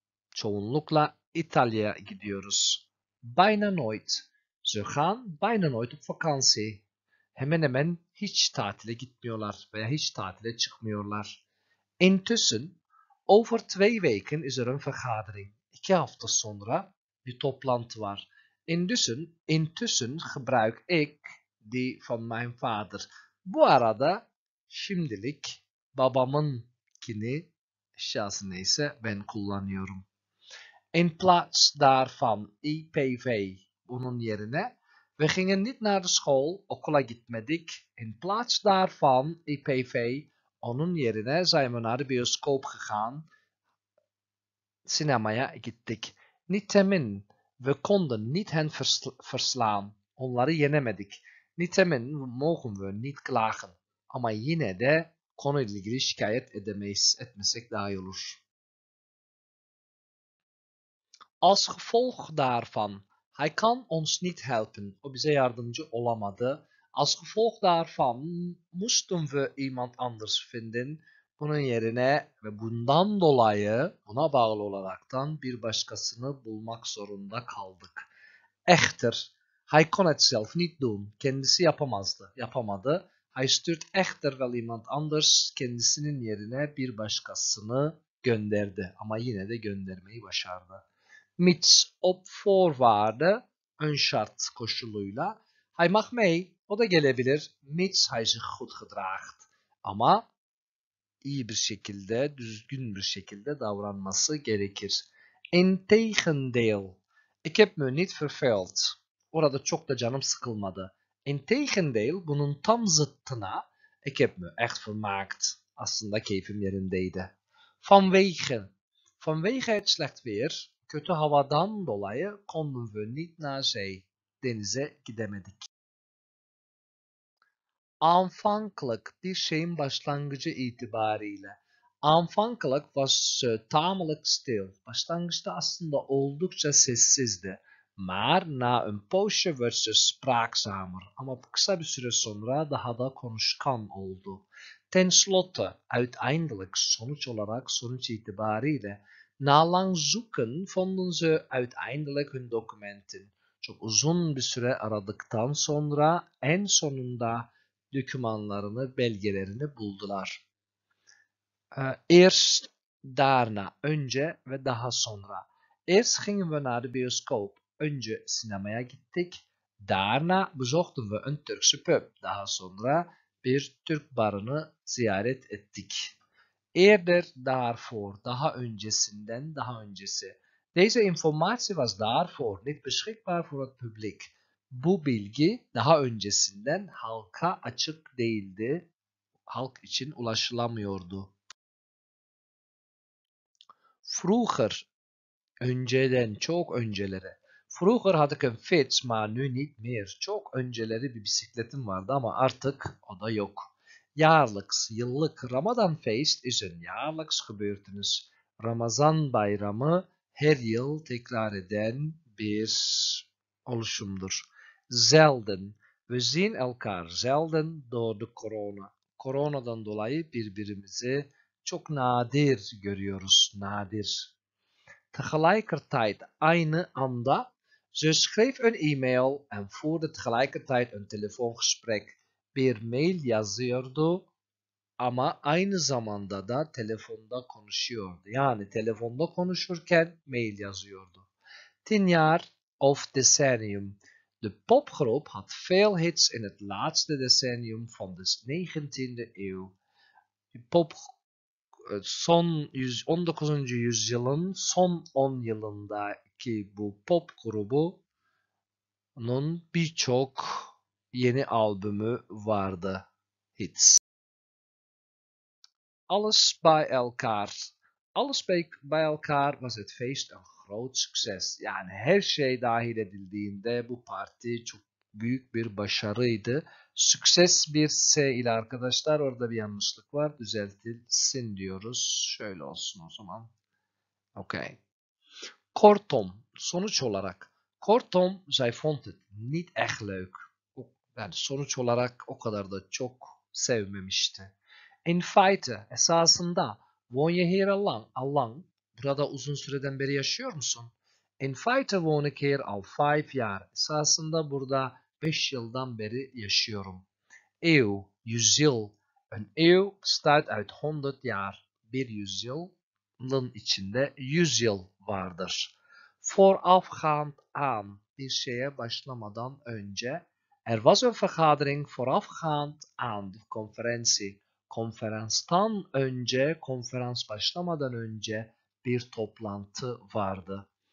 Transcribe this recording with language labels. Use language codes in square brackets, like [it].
[tr] Çoğunlukla İtalya'ya gidiyoruz. [nl] Bijna nooit. Ze gaan bijna nooit op vakantie. [tr] Hemen hemen hiç tatile gitmiyorlar veya hiç tatile çıkmıyorlar. [nl] Intussen. Over 2 weken is er een vergadering. [tr] 2 hafta sonra bir toplantı var. [nl] Intussen gebruik ik die van mijn vader. [tr] Bu arada şimdilik babamınkini, şahsı neyse ben kullanıyorum. [nl] In plaats daarvan, IPV, [tr] bunun yerine, [nl] we gingen niet naar de school, [tr] okula gitmedik. [nl] In plaats daarvan, IPV, [tr] onun yerine [nl] zijn we naar de bioscoop gegaan. [tr] Sinemaya gittik. [nl] Nitemin. We konden niet hen verslaan. [tr] Onları yenemedik. [nl] Nitemin mogen we niet klagen. [tr] Ama yine de konuyla ilgili şikayet edemeyiz. Etmesek daha iyi olur. [nl] Als gevolg daarvan. Hij kan ons niet helpen. [tr] O bize yardımcı olamadı. [nl] Als gevolg daarvan moesten we iemand anders vinden. [tr] Bunun yerine ve bundan dolayı buna bağlı olaraktan bir başkasını bulmak zorunda kaldık. [nl] Echter, hij kon het zelf niet doen. [tr] Kendisi yapamazdı. Yapamadı. [nl] Hij stuurt echter wel iemand anders. [tr] Kendisinin yerine bir başkasını gönderdi. Ama yine de göndermeyi başardı. [nl] Mits, op voorwaarde, [tr] ön şart koşuluyla. [nl] Hij mag mee. [tr] O da gelebilir. [nl] Mits hij zich goed gedraagt. [tr] Ama iyi bir şekilde, düzgün bir şekilde davranması gerekir. [nl] Integendeel. Ik heb me niet verveeld. [tr] Orada çok da canım sıkılmadı. Integendeel, bunun tam zıttına. [nl] Ik heb me echt vermaakt. [tr] Aslında keyfim yerindeydi. [nl] Vanwege. Vanwege het slecht weer. [tr] Kötü havadan dolayı [nl] konden we niet naar zee. [tr] Denize gidemedik. Aanvankelijk, bir şeyin başlangıcı itibariyle. [nl] Aanvankelijk was tamelijk stil. [tr] Başlangıçta aslında oldukça sessizdi. [nl] Maar na een poosje werd ze spraakzamer, [tr] ama bu kısa bir süre sonra daha da konuşkan oldu. [nl] Ten slotte, uiteindelijk, [tr] sonuç olarak, sonuç itibariyle, [nl] na lang zoeken vonden ze uiteindelijk hun documenten. [tr] Çok uzun bir süre aradıktan sonra en sonunda dokümanlarını, belgelerini buldular. [nl] Eerst, daarna, [tr] önce ve daha sonra. [nl] Eerst gingen we naar de bioscoop. [tr] Önce sinemaya gittik. [nl] Daarna bezochten we een Turkse pub. [tr] Daha sonra bir Türk barını ziyaret ettik. [nl] Eerder, daarvoor, [tr] daha öncesinden, daha öncesi. [nl] Deze informatie was daarvoor niet beschikbaar voor het publiek. [tr] Bu bilgi daha öncesinden halka açık değildi. Halk için ulaşılamıyordu. Vroeger, önceden, çok öncelere. [nl] Vroeger had ik een fiets, maar nu niet meer. [tr] Çok önceleri bir bisikletim vardı ama artık o da yok. [nl] Jaarlijks, yıllık. Ramadan feest is een jaarlijks gebeurtenis. [tr] Ramazan bayramı her yıl tekrar eden bir oluşumdur. [nl] Zelden. We zien elkaar zelden door de corona. [tr] Coronadan dolayı birbirimizi çok nadir görüyoruz. Nadir. [nl] Tegelijkertijd, [tr] aynı anda. [nl] Ze schreef een e-mail en voerde tegelijkertijd een telefoongesprek. [tr] Bir mail yazıyordu ama aynı zamanda da telefonda konuşuyordu. Yani telefonda konuşurken mail yazıyordu. [nl] 10 jaar of decennium. De popgroep had veel hits in het laatste decennium van de 19e eeuw. [tr] De pop son 19. yüzyılın son 10 yılında ki bu pop grubunun birçok yeni albümü vardı. [nl] Hits. Alles bij elkaar. Alles bij elkaar was het feest een groot succes. [tr] Yani her şey dahil edildiğinde bu parti çok büyük bir başarıydı. Sukses bir S ile arkadaşlar. Orada bir yanlışlık var. Düzeltilsin diyoruz. Şöyle olsun o zaman. Okay. Kortom. Sonuç olarak. [nl] Kortom, zij vond het niet echt leuk. [tr] Yani sonuç olarak o kadar da çok sevmemişti. [nl] In feite, esasında, woon je hier al lang? [tr] Burada uzun süreden beri yaşıyor musun? [nl] In feite, woon ik hier al 5 jaar. [tr] Esasında burada 5 yıldan beri yaşıyorum. [nl] Eeuw, yüzyıl. Een eeuw bestaat uit 100 jaar. [tr] Bir yüzyılın içinde 100 yıl vardır. [nl] Voorafgaand aan, [tr] bir şeye başlamadan önce, [nl] er was een vergadering voorafgaand aan de conferentie. [tr] Konferanstan önce, konferans başlamadan önce, bir toplantı vardı.